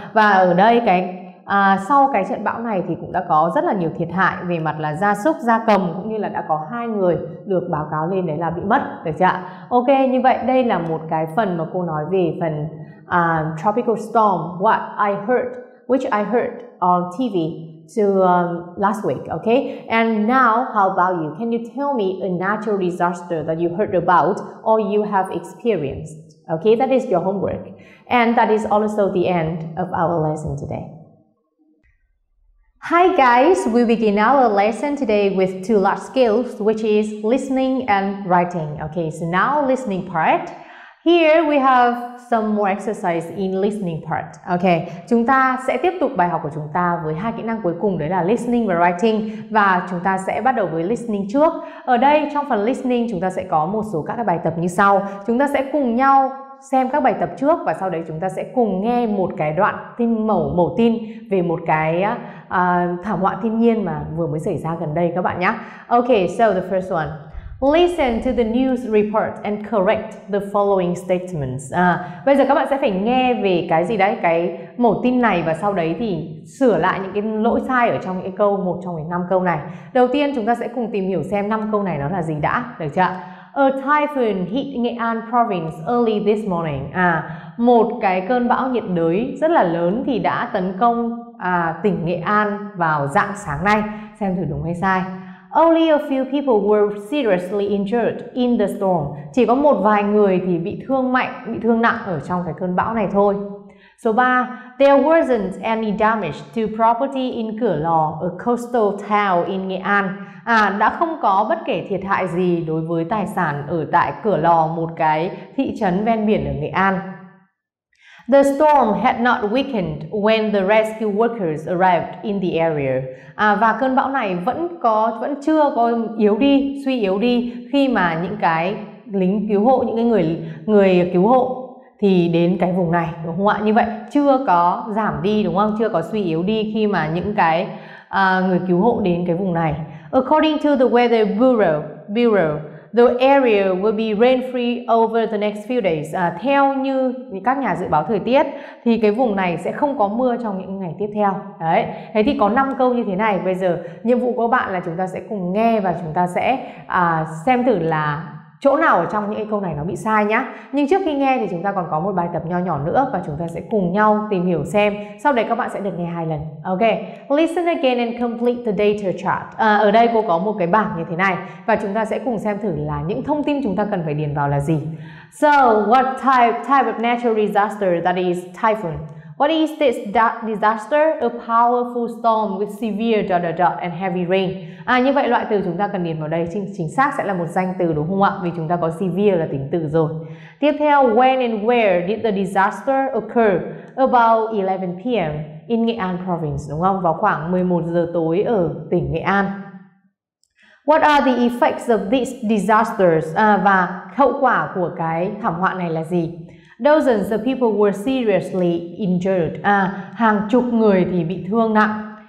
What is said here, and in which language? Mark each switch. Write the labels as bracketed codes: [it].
[vi] Và ở đây sau cái trận bão này thì cũng đã có rất là nhiều thiệt hại về mặt là gia súc, gia cầm, cũng như là đã có 2 người được báo cáo lên đấy là bị mất, được chưa ạ? Ok, như vậy đây là một cái phần mà cô nói về phần tropical storm, [en] what I heard, which I heard on TV. to last week, okay? And now, how about you? Can you tell me a natural disaster that you heard about or you have experienced? Okay, that is your homework. And that is also the end of our lesson today. Hi guys, we begin our lesson today with two large skills, which is listening and writing. Okay, so now listening part. Here we have some more exercise in listening part. [vi] Okay, chúng ta sẽ tiếp tục bài học của chúng ta với hai kỹ năng cuối cùng, đấy là listening và writing. Và chúng ta sẽ bắt đầu với listening trước. Ở đây trong phần listening chúng ta sẽ có một số các cái bài tập như sau. Chúng ta sẽ cùng nhau xem các bài tập trước và sau đấy chúng ta sẽ cùng nghe một cái đoạn tin mẩu tin về một cái thảm họa thiên nhiên mà vừa mới xảy ra gần đây các bạn nhé. [en] Okay, so the first one. Listen to the news report and correct the following statements. [vi] Bây giờ các bạn sẽ phải nghe về cái gì đấy, cái mẩu tin này và sau đấy thì sửa lại những cái lỗi sai ở trong cái câu, một trong cái năm câu này. Đầu tiên chúng ta sẽ cùng tìm hiểu xem năm câu này nó là gì đã, được chưa? [en] A typhoon hit Nghệ An province early this morning. [vi] Một cái cơn bão nhiệt đới rất là lớn thì đã tấn công tỉnh Nghệ An vào rạng sáng nay. Xem thử đúng hay sai. [en] Only a few people were seriously injured in the storm. [vi] Chỉ có một vài người thì bị thương mạnh, bị thương nặng ở trong cái cơn bão này thôi. Số 3. [en] There wasn't any damage to property in Cửa Lò, a coastal town in Nghệ An. [vi] Đã không có bất kể thiệt hại gì đối với tài sản ở tại Cửa Lò, một cái thị trấn ven biển ở Nghệ An. [en] The storm had not weakened when the rescue workers arrived in the area. [vi] Và cơn bão này vẫn chưa có yếu đi, suy yếu đi khi mà những cái lính cứu hộ, những cái người cứu hộ thì đến cái vùng này, đúng không ạ? Như vậy chưa có giảm đi, đúng không? Chưa có suy yếu đi khi mà những cái người cứu hộ đến cái vùng này. [en] According to the Weather Bureau, the area will be rain-free over the next few days. [vi] Theo như các nhà dự báo thời tiết thì cái vùng này sẽ không có mưa trong những ngày tiếp theo. Đấy. Thế thì có 5 câu như thế này. Bây giờ nhiệm vụ của bạn là chúng ta sẽ cùng nghe và chúng ta sẽ xem thử là chỗ nào ở trong những câu này nó bị sai nhá. Nhưng trước khi nghe thì chúng ta còn có một bài tập nho nhỏ nữa và chúng ta sẽ cùng nhau tìm hiểu xem. Sau đấy các bạn sẽ được nghe hai lần. Ok. [en] Listen again and complete the data chart. [vi] Ở đây cô có một cái bảng như thế này và chúng ta sẽ cùng xem thử là những thông tin chúng ta cần phải điền vào là gì. [en] So, what type of natural disaster that is typhoon? What is this disaster? A powerful storm with severe dot dot dot and heavy rain. [vi] Như vậy loại từ chúng ta cần điền vào đây chính xác sẽ là một danh từ, đúng không ạ? Vì chúng ta có severe là tính từ rồi. Tiếp theo, [en] when and where did the disaster occur? About 11 p.m. [vi] in Nghệ An province, đúng không? Vào khoảng 11 giờ tối ở tỉnh Nghệ An. [en] What are the effects of these disasters? [vi] Và hậu quả của cái thảm họa này là gì? [en] Dozens of people were seriously injured. [vi] Hàng chục người thì bị thương nặng.